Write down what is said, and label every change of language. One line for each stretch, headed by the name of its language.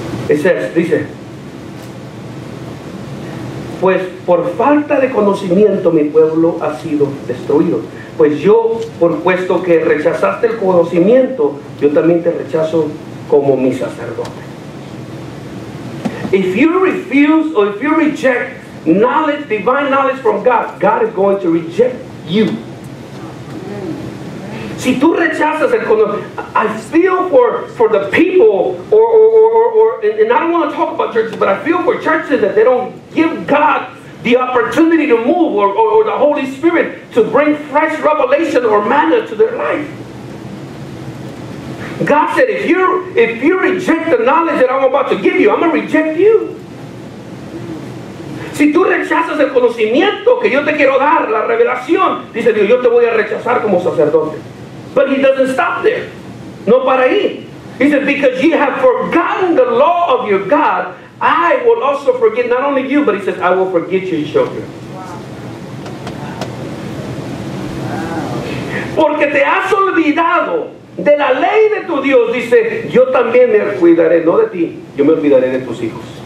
English: It says,
Spanish: dice, pues por falta de conocimiento mi pueblo ha sido destruido. Pues yo, por puesto que rechazaste el conocimiento, yo también te rechazo como mi sacerdote.
English: If you refuse or if you reject knowledge, divine knowledge from God, God is going to reject you.
Spanish: Si tú rechazas el conocimiento,
English: I feel for the people, and I don't want to talk about churches, but I feel for churches that they don't give God the opportunity to move or the Holy Spirit to bring fresh revelation or manna to their life. God said, if you reject the knowledge that I'm about to give you, I'm going to reject you.
Spanish: Si tú rechazas el conocimiento que yo te quiero dar, la revelación, dice Dios, yo te voy a rechazar como sacerdote.
English: But he doesn't stop there.
Spanish: No para ahí.
English: He said, because you have forgotten the law of your God, I will also forget not only you, but he says, I will forget your children.
Spanish: Porque te has olvidado de la ley de tu Dios, dice, yo también me cuidaré, no de ti, yo me olvidaré de tus hijos.